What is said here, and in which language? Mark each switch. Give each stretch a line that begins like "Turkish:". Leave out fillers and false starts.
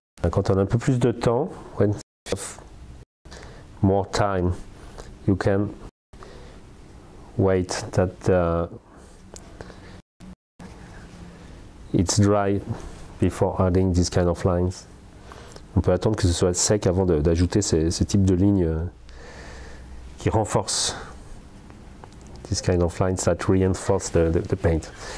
French: Quand on a un peu plus de temps,
English: when you have more time, you can wait that it's dry before adding this kind of lines.
French: On peut attendre que ce soit sec avant d'ajouter ce type de lignes qui renforcent.
English: This kind of lines that reinforce the paint.